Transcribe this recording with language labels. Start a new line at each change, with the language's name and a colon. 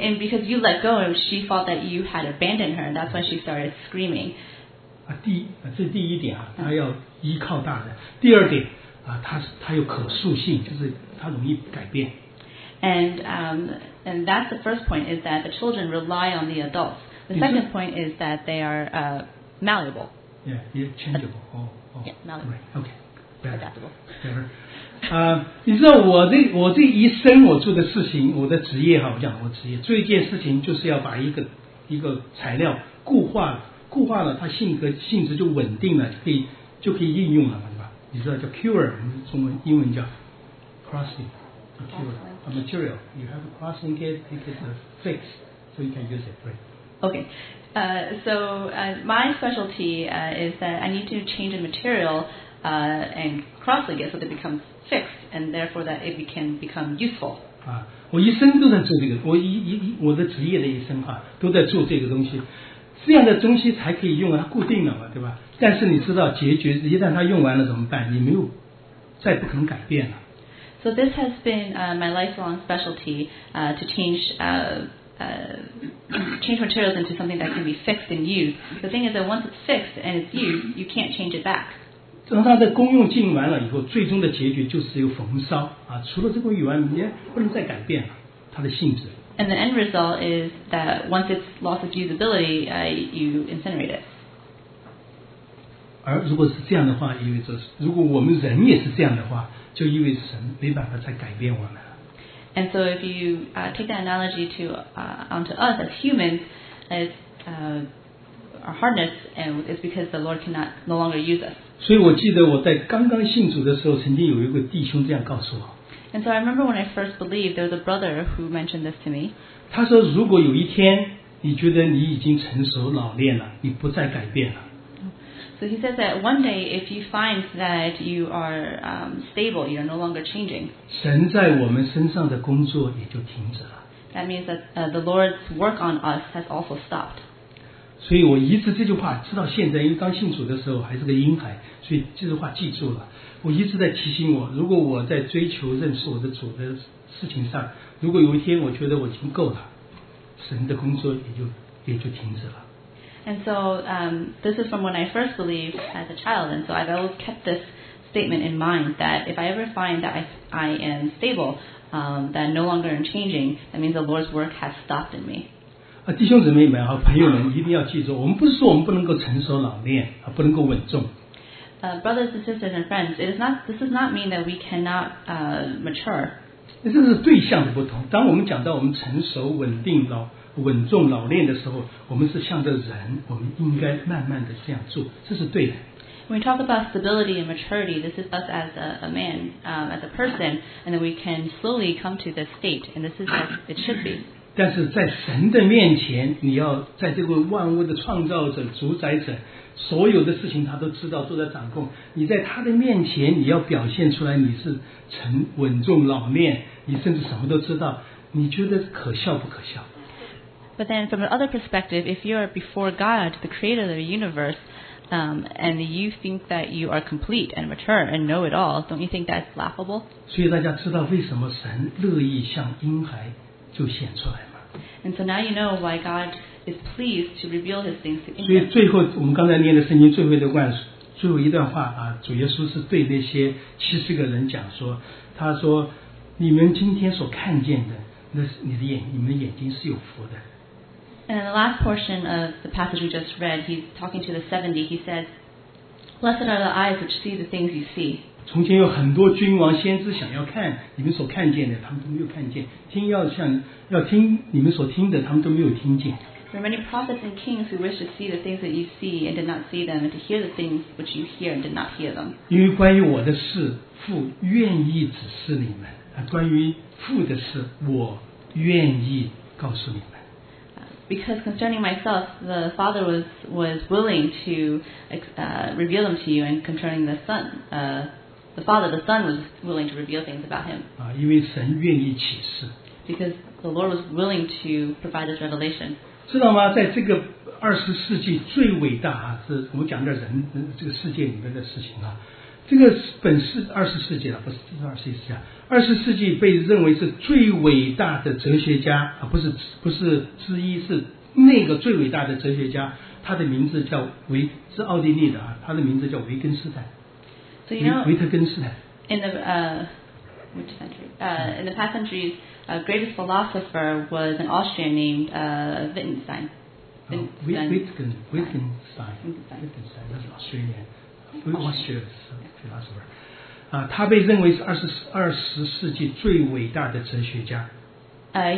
English: And because you let go, she thought that you had abandoned her, and that's when she started screaming.
Chinese: 这第一点啊，她要依靠大人。第二点啊，她有可塑性，就是她容易改变。
English: And that's the first point is that the children rely on the adults. The second point is that they are malleable. Yeah, changeable. Malleable. Right, okay. Adaptable.
Chinese: 你知道我这一生我做的事情，我的职业哈，我讲我职业做一件事情，就是要把一个材料固化了，它性格性质就稳定了，可以就可以应用了嘛，对吧？你知道叫
English: cure，
Chinese: 我们中文英文叫
English: crossing， a cure a material， you have a crossing gate， it is a fix， so you can use it， right？ Okay， my specialty is that I need to change a material and cross link it so that it becomes fixed and therefore that it can become useful。
Chinese: 啊，我一生都在做这个，我的职业的一生啊，都在做这个东西。这样的东西才可以用啊，它固定了嘛，对吧？但是你知道，结局一旦它用完了怎么办？你没有，再不可能改变了。
English: So this has been my lifelong specialty to change change materials into something that can be fixed and used. The thing is that once it's fixed and it's used, you can't change it back.
Chinese: 等它的功用尽完了以后，最终的结局就是由焚烧啊，除了这个以外，你也不能再改变了它的性质。
English: And the end result is that once it's lost its usability, you incinerate it.
Chinese: 而如果是这样的话，意味着如果我们人也是这样的话，就意味着神没办法再改变我们。
English: And so if you take that analogy to onto us as humans, as our hardness, and it's because the Lord cannot no longer use us.
Chinese: 所以我记得我在刚刚信主的时候，曾经有一个弟兄这样告诉我。
English: And so I remember when I first believed, there was a brother who mentioned this to me.
Chinese: 他说如果有一天你觉得你已经成熟老练了，你不再改变了。
English: So he says that one day if you find that you are stable, you are no longer changing.
Chinese: 神在我们身上的工作也就停止了。
English: That means that the Lord's work on us has also stopped.
Chinese: 所以我一直这句话直到现在，因为刚信主的时候还是个婴孩，所以这句话记住了。我一直在提醒我，如果我在追求认识我的主的事情上，如果有一天我觉得我已经够了，神的工作也就停止了。
English: And so, this is from when I first believed as a child, and so I've always kept this statement in mind that if I ever find that I am stable, that no longer am changing, that means the Lord's work has stopped in me.
Chinese: 啊，弟兄姊妹们和朋友们一定要记住，我们不是说我们不能够成熟老练啊，不能够稳重。
English: Brothers and sisters and friends, this does not mean that we cannot mature.
Chinese: 这是对象的不同。当我们讲到我们成熟、稳定、稳重、老练的时候，我们是向着人，我们应该慢慢的这样做，这是对的。
English: When we talk about stability and maturity, this is us as a man, as a person, and then we can slowly come to this state, and this is what it should be.
Chinese: 但是在神的面前，你要在这个万物的创造者、主宰者。所有的事情他都知道，都在掌控。你在他的面前，你要表现出来你是沉稳重老练，你甚至什么都知道，你觉得可笑不可笑
English: ？But then, from another perspective, if you are before God, the Creator of the universe, and you think that you are complete and mature and know it all, don't you think that's laughable?
Chinese: 所以大家知道为什么神乐意向婴孩就显出来吗
English: ？And so now you know why God. Is pleased to reveal his things to
Chinese: him. 所以最后我们刚才念的圣经最后的段，最后一段话啊，主耶稣是对那些七十个人讲说，他说，你们今天所看见的，那是你的眼，你们眼睛是有福的。
English: And in the last portion of the passage we just read, he's talking to the 70. He says, "Blessed are the eyes which see the things you see."
Chinese: 从前有很多君王先知想要看你们所看见的，他们都没有看见；听要听你们所听的，他们都没有听见。
English: There are many prophets and kings who wish to see the things that you see and did not see them, and to hear the things which you hear and did not hear them.
Chinese: 因为关于我的事，父愿意指示你们；关于父的事，我愿意告诉你们。
English: Because concerning myself, the Father was willing to reveal them to you, and concerning the Son, the Father, the Son was willing to reveal things about him.
Chinese: 啊，因为神愿意启示。
English: Because the Lord was willing to provide this revelation.
Chinese: 知道吗？在这个二十世纪最伟大啊，是我们讲的人这个世界里面的事情啊。这个本是二十世纪了，不是二十世纪啊。二十世纪被认为是最伟大的哲学家啊，不是之一，是那个最伟大的哲学家。他的名字叫维，是奥地利的啊。他的名字叫维根斯坦，
English: so、you know,
Chinese: 维特根斯坦。
English: In the past centuries, a greatest philosopher was an Austrian named Wittgenstein. Wittgenstein. Wittgenstein, that's an Austrian philosopher.